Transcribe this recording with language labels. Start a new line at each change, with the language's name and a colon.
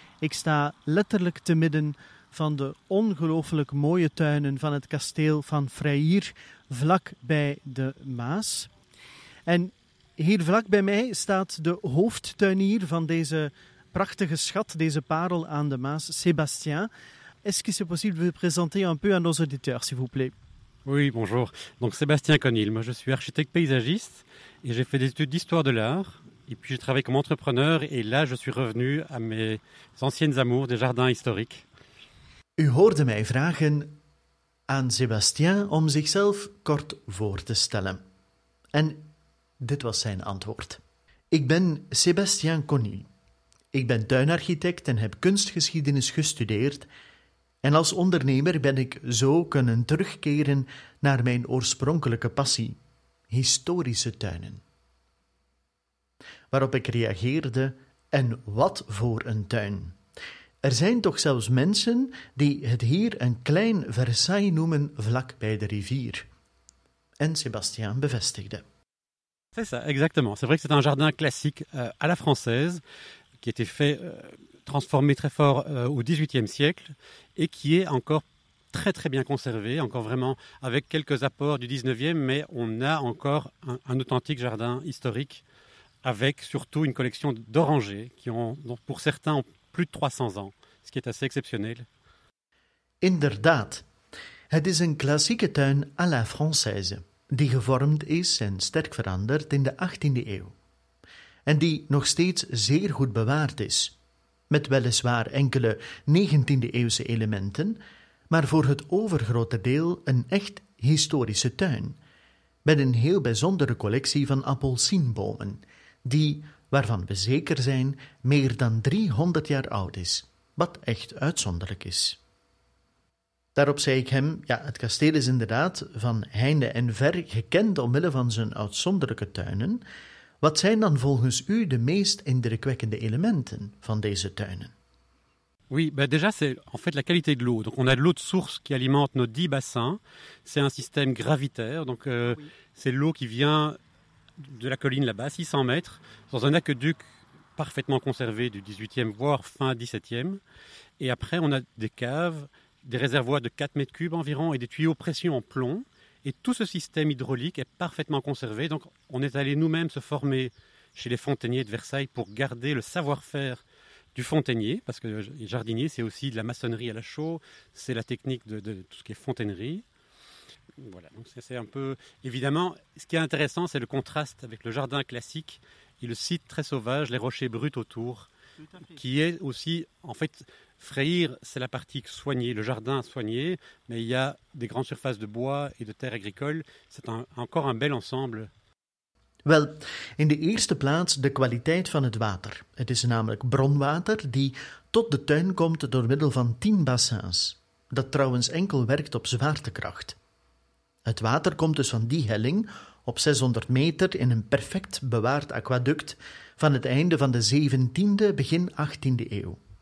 Dutch: Ik sta letterlijk te midden van de ongelooflijk mooie tuinen van het kasteel van Freyr, vlak bij de Maas. En Hier vlak bij mij staat de hoofdtuinier van deze prachtige schat, deze parel aan de Maas, Sébastien.
French: Est-ce que c'est possible de vous présenter un peu à nos auditeurs, s'il vous plaît? Oui, bonjour. Donc, Sébastien Conil, moi je suis architecte paysagiste et j'ai fait des études d'histoire de l'art. Et puis j'ai travaillé comme entrepreneur et là je suis revenu à mes anciennes amours des jardins historiques.
Dutch: U hoorde mij vragen aan Sébastien om zichzelf kort voor te stellen. En dit was zijn antwoord. Ik ben Sébastien Conil. Ik ben tuinarchitect en heb kunstgeschiedenis gestudeerd. En als ondernemer ben ik zo kunnen terugkeren naar mijn oorspronkelijke passie, historische tuinen. Waarop ik reageerde, en wat voor een tuin. Er zijn toch zelfs mensen die het hier een klein Versailles noemen vlak bij de rivier. En Sébastien bevestigde.
French: C'est ça, exactement. C'est vrai que c'est un jardin classique à la française, qui a été fait, transformé très fort au XVIIIe siècle, et qui est encore très très bien conservé, encore vraiment avec quelques apports du XIXe, mais on a encore un authentique jardin historique, avec surtout une collection d'orangers, qui ont, dont pour certains, ont plus de 300 ans, ce qui est assez exceptionnel. Inderdaad, het is een klassieke tuin à la française, die gevormd is en sterk veranderd in de 18e eeuw, en die nog steeds zeer goed bewaard is, met weliswaar enkele 19e-eeuwse elementen, maar voor het overgrote deel een echt historische tuin, met een heel bijzondere collectie van appelsienbomen, die, waarvan we zeker zijn, meer dan 300 jaar oud is, wat echt uitzonderlijk is. Daarop zei ik hem, ja, het kasteel is inderdaad van heinde en ver gekend omwille van zijn uitzonderlijke tuinen. Wat zijn dan volgens u de meest indrukwekkende elementen van deze tuinen? Oui, ben déjà c'est en fait la qualité de l'eau. Donc on a de l'eau de source qui alimente nos 10 bassins. C'est un système gravitaire, donc c'est l'eau qui vient de la colline là-bas, 600 mètres, dans un aqueduc parfaitement conservé du 18e voire fin 17e. Et après on a des caves, des réservoirs de 4 mètres cubes environ et des tuyaux pression en plomb. Et tout ce système hydraulique est parfaitement conservé. Donc, on est allé nous-mêmes se former chez les fontainiers de Versailles pour garder le savoir-faire du fontainier, parce que jardinier, c'est aussi de la maçonnerie à la chaux, c'est la technique de tout ce qui est fontainerie. Voilà, donc c'est un peu... Évidemment, ce qui est intéressant, c'est le contraste avec le jardin classique et le site très sauvage, les rochers bruts autour, qui est aussi, en fait... Frayir, c'est la partie soignée, le jardin soigné, mais il y a des grandes surfaces de bois et de terres agricoles. C'est encore un bel ensemble.
Dutch: Wel, in de eerste plaats de kwaliteit van het water. Het is namelijk bronwater die tot de tuin komt door middel van 10 bassins, dat trouwens enkel werkt op zwaartekracht. Het water komt dus van die helling op 600 meter in een perfect bewaard aquaduct van het einde van de 17e, begin 18e eeuw.